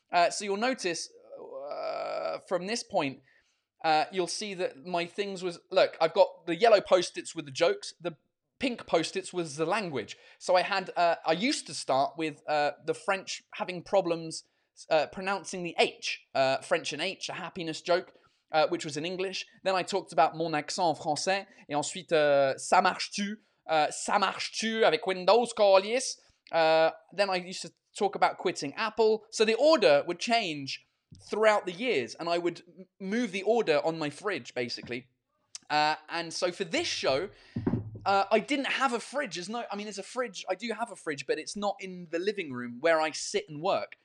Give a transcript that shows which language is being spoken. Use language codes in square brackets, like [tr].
[en] So you'll notice from this point, you'll see that my things was, look, I've got the yellow post-its with the jokes, the pink post-its was the language. So I had, I used to start with the French having problems pronouncing the H, French and H, a happiness joke, which was in English. Then I talked about [fr] mon accent en français, et ensuite, ça marche-tu avec Windows, Callies. [en] Then I used to talk about quitting Apple. So the order would change throughout the years, and I would move the order on my fridge, basically. And so for this show, I didn't have a fridge. I do have a fridge, but it's not in the living room where I sit and work.